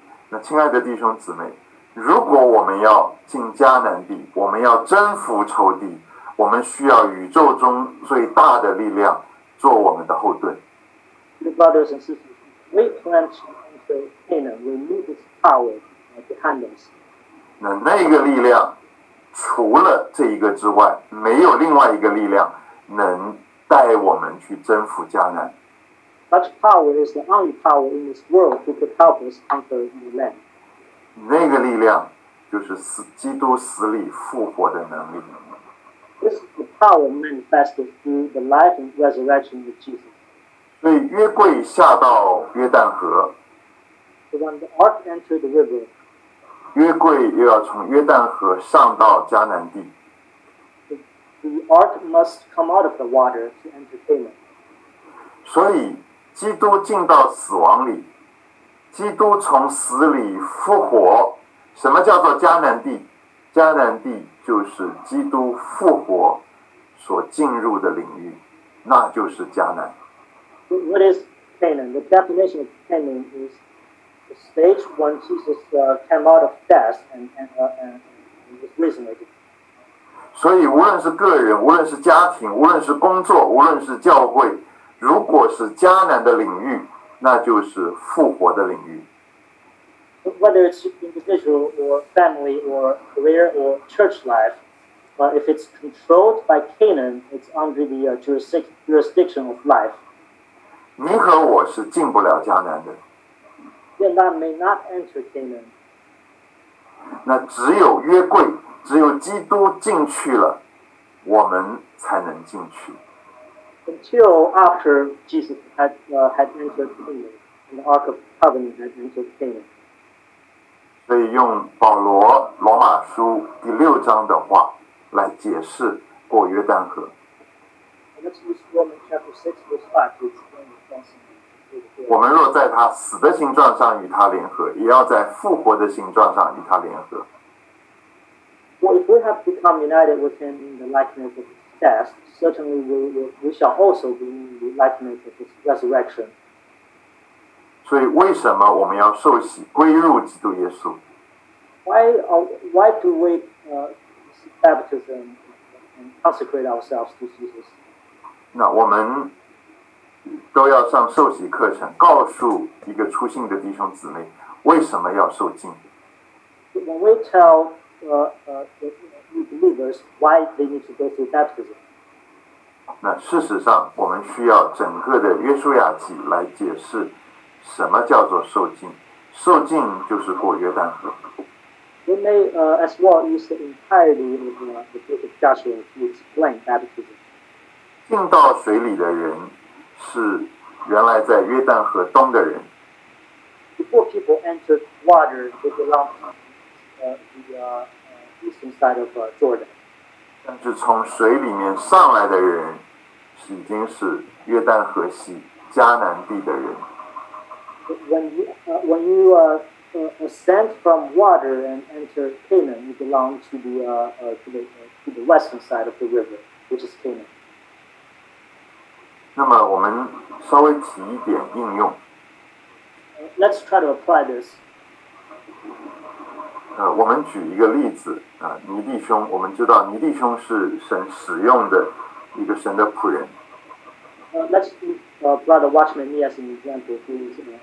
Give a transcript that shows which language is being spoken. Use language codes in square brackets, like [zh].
[zh] 那亲爱的弟兄姊妹，如果我们要进迦南地，我们要征服仇敌，我们需要宇宙中最大的力量做我们的后盾。 [en] The brothers and sisters, we plan to enter Canaan. We need this power behind us. [zh] 那个力量，除了这一个之外，没有另外一个力量能带我们去征服迦南。 [en] Such power is the only power in this world who could help us conquer the land. [zh] 那个力量就是死基督死里复活的能力。 [en] This is the power manifested through the life and resurrection of Jesus. [zh] 所以约柜下到约旦河。 [en] So when the ark entered the river, [zh] 约柜又要从约旦河上到迦南地。 [en] The ark must come out of the water to enter Canaan. [zh] 所以基督进到死亡里，基督从死里复活。什么叫做迦南地？迦南地就是基督复活所进入的领域，那就是迦南。 [en] What is Canaan? The definition of Canaan is the stage when Jesus came out of death and was risen again. [zh] 所以无论是个人，无论是家庭，无论是工作，无论是教会，如果是迦南的领域，那就是复活的领域。 [en] Whether it's individual or family or career or church life, but if it's controlled by Canaan, it's under the jurisdiction of life. [zh] 你和我是进不了迦南的。 [en] Then I may not enter Canaan. [zh] 那只有约柜，只有基督进去了，我们才能进去。 [en] Until after Jesus had entered Canaan, and the Ark of Covenant had entered Canaan. [zh] 所以用保罗罗马书第六章的话来解释过约旦河。 [en] Let's use Romans chapter 6 verse 5 to explain the crossing. [zh] 我们若在他死的形状上与他联合，也要在复活的形状上与他联合。 [en] Well, if we have become united with him in the likeness of his death, certainly we shall also be in the likeness of his resurrection. [zh] 所以为什么我们要受洗归入基督耶稣？ [en] Why do we seek baptism and consecrate ourselves to Jesus? [zh] 那我们都要上受洗课程，告诉一个初信的弟兄姊妹为什么要受浸。 [en] When we tell the believers why they need to go through baptism, [zh] 那事实上我们需要整个的约书亚记来解释什么叫做受浸。受浸就是过约旦河。 [en] We may as well use the entirety of the book of Joshua to explain baptism. [zh] 进到水里的人是原来在约旦河东的人。 [en] Before people entered water, they belonged to the eastern side of Jordan. [zh] 但是从水里面上来的人已经是约旦河西迦南地的人。 [en] When you ascend from water and enter Canaan, you belong to the western side of the river, which is Canaan. [zh] 那么我们稍微提一点应用。 [en] Let's try to apply this. [zh] 我们举一个例子啊，尼弟兄，我们知道尼弟兄是神使用的一个神的仆人。 [en] Let's use Brother Watchman Nee as an example, please.